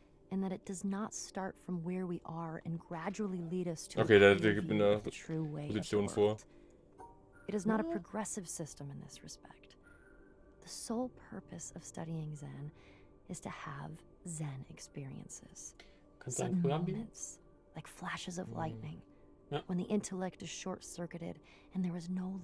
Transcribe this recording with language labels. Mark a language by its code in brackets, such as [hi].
[en] And that it does not start from where we are and gradually lead us to [de] okay, der gibt mir eine true way Position vor. [en] It is not a progressive system in this respect. The sole purpose of studying Zen is to have Zen experiences. Zen moments, like flashes of lightning, when the intellect is short-circuited and there is no